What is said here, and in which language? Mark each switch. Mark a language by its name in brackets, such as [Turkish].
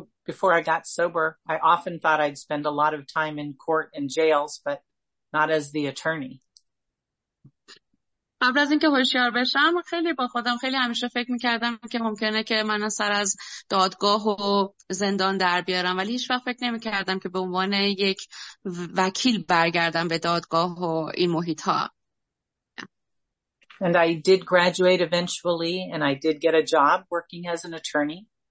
[English] Before I got sober, I often thought I'd spend a lot of time in court and jails, but not as the attorney. [Persian] قبل از اینکه هوشیار بشم خیلی با خودم خیلی همیشه فکر میکردم که ممکنه که من سر از دادگاه و زندان در بیارم، ولی هیچ وقت فکر نمیکردم که به عنوان یک وکیل برگردم به دادگاه و این محیط ها. [English] And I did graduate eventually and I did get a job working as an attorney.